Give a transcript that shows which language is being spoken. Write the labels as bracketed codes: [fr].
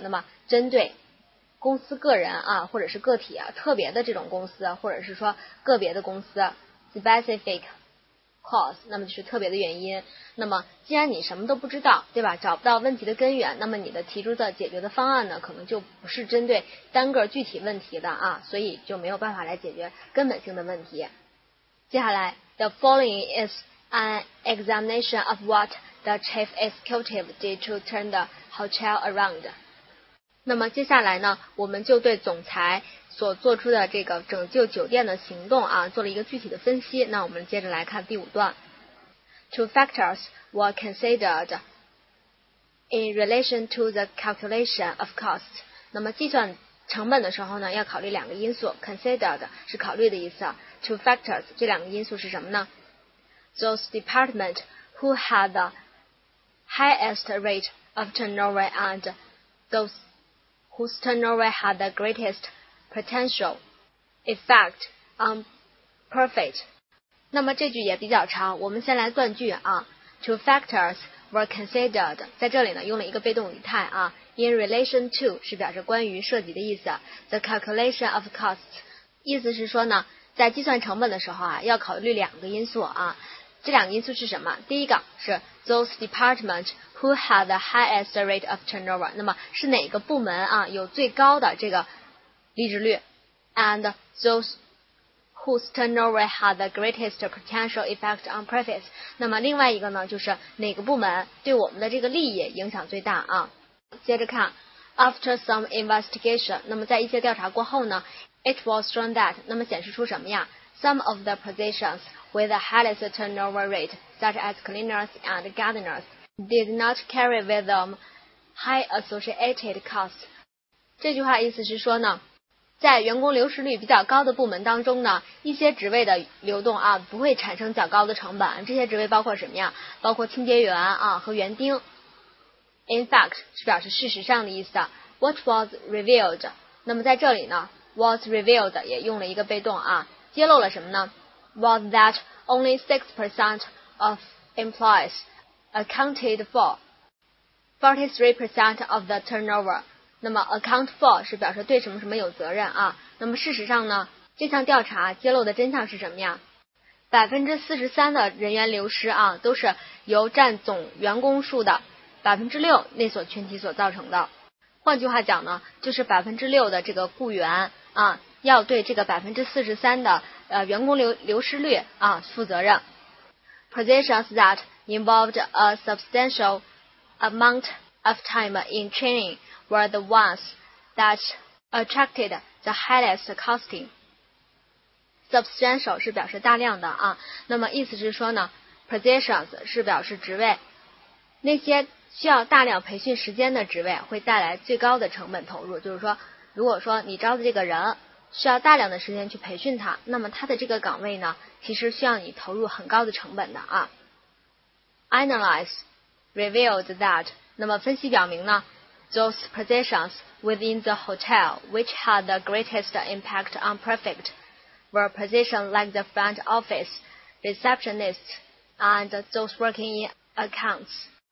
[zh] 那么针对公司个人啊，或者是个体啊，特别的这种公司，或者是说个别的公司。 [en] Specific cause. [zh] 那么就是特别的原因。那么既然你什么都不知道，对吧？找不到问题的根源，那么你的提出的解决的方案呢，可能就不是针对单个具体问题的啊，所以就没有办法来解决根本性的问题。接下来 [en] ，The following is an examination of what the chief executive did to turn the hotel around. [zh] 那么接下来呢，我们就对总裁所做出的这个拯救酒店的行动啊，做了一个具体的分析。那我们接着来看第五段。 [en] Two factors were considered in relation to the calculation of cost. [zh] 那么计算成本的时候呢，要考虑两个因素。 Considered 是考虑的意思。Two factors 这两个因素是什么呢？ [en] Those department who had the highest rate of turnover and those whose turnover had the greatest potential effect on profit. [zh] 那么这句也比较长，我们先来断句啊。 [en] Two factors were considered， [zh] 在这里呢用了一个被动语态啊。 [en] In relation to [zh] 是表示关于涉及的意思。 [en] The calculation of costs [zh] 意思是说呢，在计算成本的时候啊，要考虑两个因素啊。这两个因素是什么？第一个是 [en] those department who had the highest rate of turnover， [zh] 那么是哪个部门啊有最高的这个离职率。 [en] And those whose turnover had the greatest potential effect on profits. [zh] 那么另外一个呢，就是哪个部门对我们的这个利益影响最大啊？接着看 [en] ，After some investigation， [zh] 那么在一些调查过后呢 ， [en] It was shown that， [zh] 那么显示出什么呀 [en] ？Some of the positions with the highest turnover rate， such as cleaners and gardeners， did not carry with them high associated costs。 [zh] 这句话意思是说呢，在员工流失率比较高的部门当中呢，一些职位的流动啊不会产生较高的成本。这些职位包括什么呀？包括清洁员啊和园丁。 In fact 是表示事实上的意思。 [en] What was revealed？ [zh] 那么在这里呢 ，was revealed 也用了一个被动啊，揭露了什么呢 [en] ？Was that only 6% of employees accounted for？ 43% of the turnover。 [zh] 那么 account for 是表示对什么什么有责任啊。那么事实上呢，这项调查揭露的真相是什么呀？ 43%的人员流失啊，都是由占总员工数的6%那所群体所造成的。换句话讲呢，就是6%的这个雇员啊，要对这个43%的员工流失率啊负责任。 [en] Positions that involved a substantial amount of time in training were the ones that attracted the highest costing. [zh] Substantial 是表示大量的啊，那么意思是说呢 ，positions 是表示职位，那些需要大量培训时间的职位会带来最高的成本投入。就是说，如果说你招的这个人需要大量的时间去培训他，那么他的这个岗位呢，其实需要你投入很高的成本的啊。 [en] Analyze revealed that， [zh] 那么分析表明呢？ [en] Those positions within the hotel which had the greatest impact on profit were positions like the front office, receptionists, and those working in accounts.